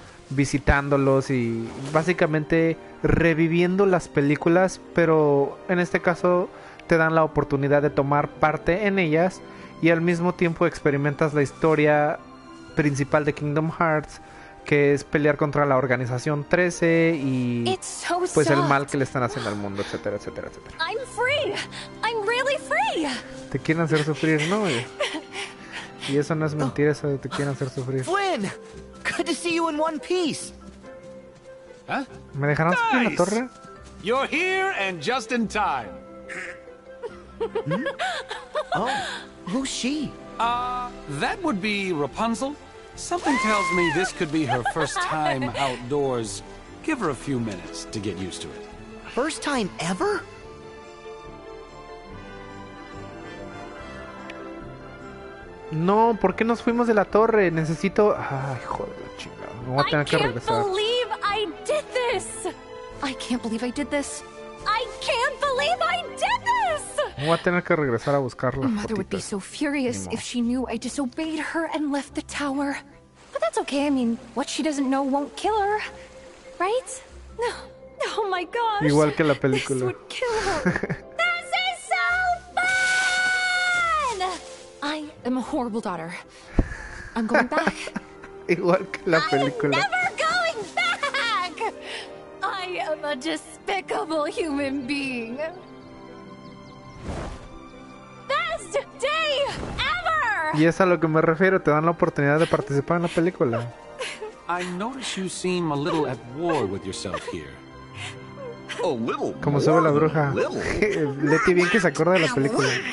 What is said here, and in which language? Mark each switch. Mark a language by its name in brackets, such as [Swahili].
[Spanish] visitándolos y básicamente reviviendo las películas, pero en este caso te dan la oportunidad de tomar parte en ellas y al mismo tiempo experimentas la historia principal de Kingdom Hearts, que es pelear contra la organización 13 y pues el mal que le están haciendo al mundo, etcétera, etcétera, etcétera. [English] I'm free. I'm really free. [Spanish] Te quieren hacer sufrir, ¿no? Y eso no es mentira, eso de te quieren hacer sufrir. [English] Flynn, good to see you in one piece. [Spanish] ¿Eh? ¿Me dejarán subir en la torre? [English] You're here and just in time. Oh, who's she? That would be Rapunzel. Something tells me this could be her first time outdoors. Give her a few minutes to get used to it. First time ever? [Spanish] No, ¿por qué nos fuimos de la torre? Necesito... Ay, joder, chingado. Me voy a tener que regresar. [English] I can't believe I did this. I can't believe I did this. I can't believe I did this. [Spanish] Me voy a tener que regresar a buscarla. Mother fotitas. [English] Would be so furious if she knew I disobeyed her and left the tower. But that's okay. I mean, what she doesn't know won't kill her, right? No. Oh my gosh. [Spanish] Igual que la película. [English] This would kill her. This is so fun! I am a horrible daughter. I'm going back. [Spanish] Igual que la película. [English] I'm never going back. I am a despicable human being. Best day ever. [Spanish] Y es a lo que me refiero, te dan la oportunidad de participar en la película. [English] I notice you seem a little at war with yourself here. A little. [Spanish] Como sabe la bruja. Letty bien que se acuerda de la película.